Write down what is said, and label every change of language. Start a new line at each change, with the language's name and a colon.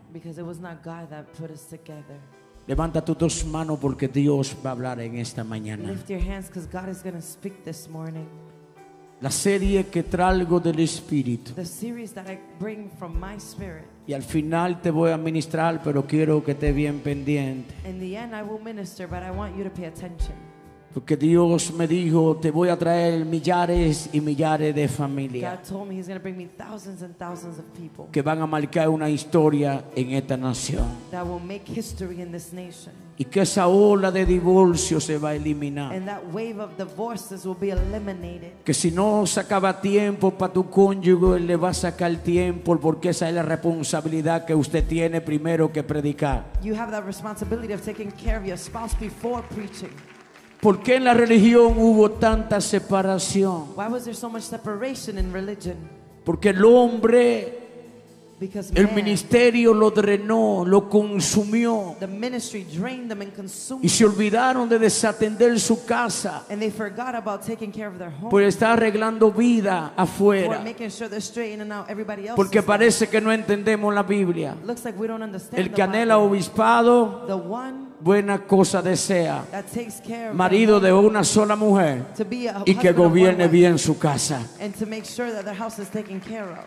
English: Because it was not God that put us together.
Spanish: Levanta tus dos manos porque Dios va a hablar en esta mañana.
English: Lift your hands because God is going to speak this morning.
Spanish: La serie que traigo del Espíritu.
English: The series that I bring from my spirit.
Spanish: Y al final te voy a ministrar, pero quiero que estés bien pendiente.
English: In the end I will minister, but I want you to pay attention.
Spanish: Porque Dios me dijo, te voy a traer millares y millares de familias.
English: God told me he's going to bring me thousands and thousands of people.
Spanish: Que van a marcar una historia en esta nación.
English: That will make history in this nation.
Spanish: Y que esa ola de divorcio se va a eliminar.
English: And that wave of divorces will be eliminated.
Spanish: Que si no sacaba tiempo para tu cónyuge, él le va a sacar tiempo, porque esa es la responsabilidad que usted tiene primero que predicar.
English: You have that responsibility of taking care of your spouse before preaching.
Spanish: ¿Por qué en la religión hubo tanta separación?
English: Why was there so much separation in religion?
Spanish: Porque el hombre,
English: Because
Spanish: el
English: man,
Spanish: ministerio lo drenó, lo consumió.
English: The ministry drained them and consumed.
Spanish: Y se olvidaron de desatender su casa.
English: And they forgot about taking care of their home.
Spanish: Por estar arreglando vida afuera.
English: For making sure they're straightening out everybody else.
Spanish: Porque parece que no entendemos la Biblia.
English: Looks like we don't understand.
Spanish: El que anhela obispado,
English: the one
Spanish: buena cosa desea,
English: that takes care of
Spanish: marido de una sola mujer y que gobierne bien su casa.
English: And to make sure that their house is taken care of.